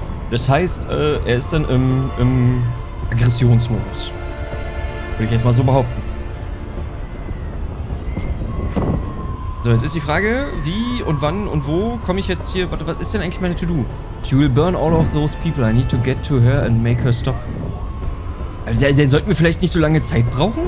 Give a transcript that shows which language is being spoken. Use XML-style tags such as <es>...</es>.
<de>Das heißt, er ist dann im Aggressionsmodus. Würde ich jetzt mal so behaupten. So, jetzt ist die Frage, wie und wann und wo komme ich jetzt hier... Warte, was ist denn eigentlich meine To-Do?</de> <en>She will burn all of those people. I need to get to her and make her stop.</en> <de>Also, dann sollten wir vielleicht nicht so lange Zeit brauchen?</de>